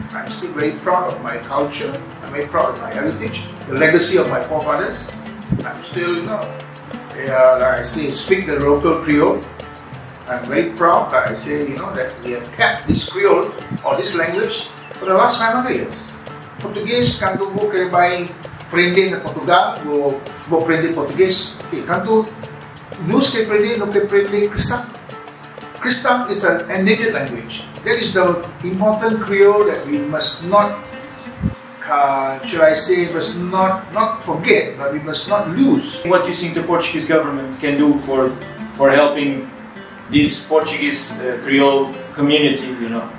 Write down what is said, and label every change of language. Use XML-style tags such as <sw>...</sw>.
<en>I'm still very proud of my culture. I'm very proud of my heritage, the legacy of my forefathers. I'm still, you know, like I say, speak the local Creole. I'm very proud that I say, you know, that we have kept this Creole or this language for the last 500 years.</en> <mcm>Portuguese, canto vou querer vai aprender na Portugal, vou aprender português. Okay, canto, nos que aprender, não que aprender cristão.</mcm> <en>Cristão is an endangered language. That is the important Creole that we must not, not forget, but we must not lose. What do you think the Portuguese government can do for helping this Portuguese Creole community, you know?</en>